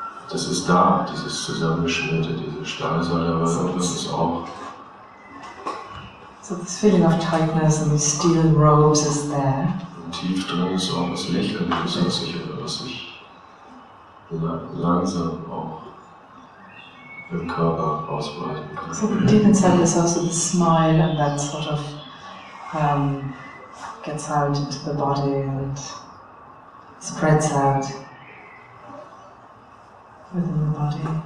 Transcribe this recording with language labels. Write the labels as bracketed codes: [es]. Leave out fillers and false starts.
[de] Das ist da, dieses Zusammengeschmelzte, diese Stahlsäule, aber so, das ist auch. [en] So this feeling of tightness and the steel ropes is there. [de] Und tief drin ist auch das Lächeln, das ist sicher, was ich langsam auch im Körper ausbreiten kann. [en] So deep inside there's also the smile and that sort of gets out into the body and spreads out within the body.